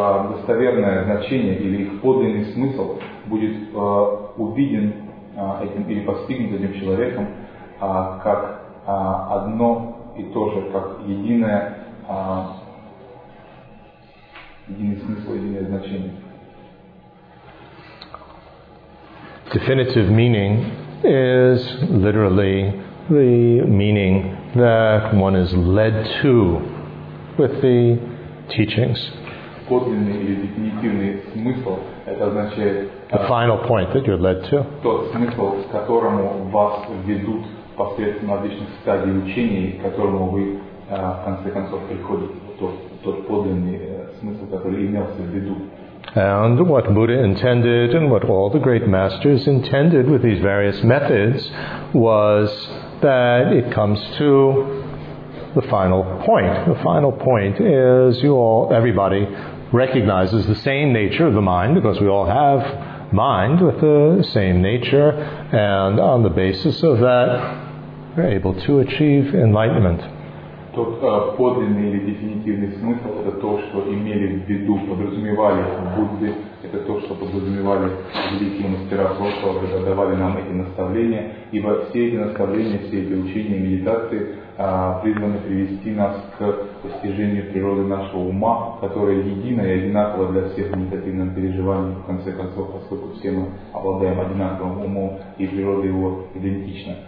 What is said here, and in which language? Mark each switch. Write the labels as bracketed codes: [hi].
[ru] достоверное значение или их подлинный смысл будет увиден этим или постигнут этим человеком как одно и то же, как единое, единый смысл, единое значение. [en] Definitive meaning is literally the meaning that one is led to with the teachings. [ru] Подлинный или дефинитивный смысл – это означает… [en] The final point that you're led to. [ru] Тот смысл, к которому вас ведут посредством различных стадий учений, к которому вы, в конце концов, приходите. Тот подлинный смысл, который имелся в виду. [en] And what Buddha intended and what all the great masters intended with these various methods was that it comes to the final point. The final point is everybody recognizes the same nature of the mind, because we all have mind with the same nature, and on the basis of that we're able to achieve enlightenment. [ru] Тот подлинный или дефинитивный смысл – это то, что имели в виду, подразумевали Будды, это то, что подразумевали великие мастера прошлого, когда давали нам эти наставления, ибо все эти наставления, все эти учения и медитации призваны привести нас к постижению природы нашего ума, которая едина и одинакова для всех медитативных переживаний, в конце концов, поскольку все мы обладаем одинаковым умом, и природа его идентична.